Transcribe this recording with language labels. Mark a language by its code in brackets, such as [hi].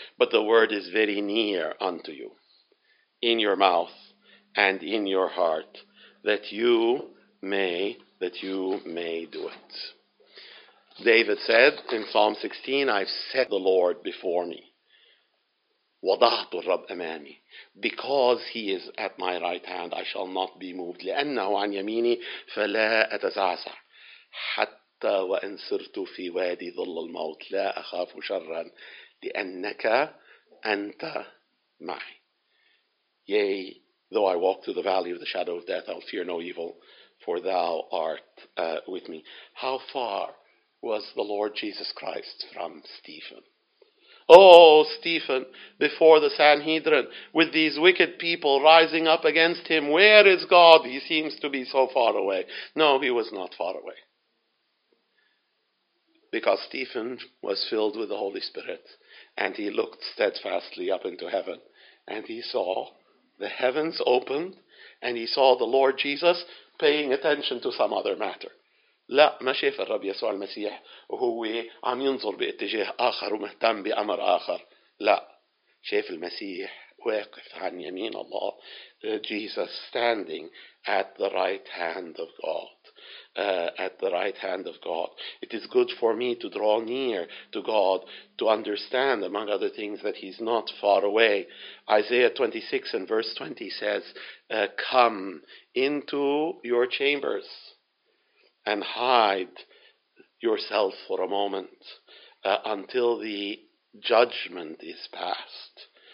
[en] But the word is very near unto you, in your mouth and in your heart, that you may do it. David said in Psalm 16, I've set the Lord before me. [ar] وضعت الرب أمامي. [en] Because he is at my right hand, I shall not be moved. [ar] لأنه عن يميني فلا أتزعزع. حتى وإن صرت في وادي ظل الموت لا أخاف شرا لأنك أنت معي. [en] Yea, though I walk through the valley of the shadow of death, I will fear no evil, for thou art with me. How far was the Lord Jesus Christ from Stephen? Oh, Stephen, before the Sanhedrin, with these wicked people rising up against him, where is God? He seems to be so far away. No, he was not far away. Because Stephen was filled with the Holy Spirit, and he looked steadfastly up into heaven, and he saw the heavens opened, and he saw the Lord Jesus paying attention to some other matter. [ar] لا ما شاف الرب يسوع المسيح وهو عم ينظر باتجاه آخر ومهتم بأمر آخر. لا شاف المسيح واقف عن يمين الله. [en] Jesus standing at the right hand of God. At the right hand of God. It is good for me to draw near to God to understand, among other things, that he's not far away. Isaiah 26 and verse 20 says, come into your chambers and hide yourself for a moment until the judgment is passed.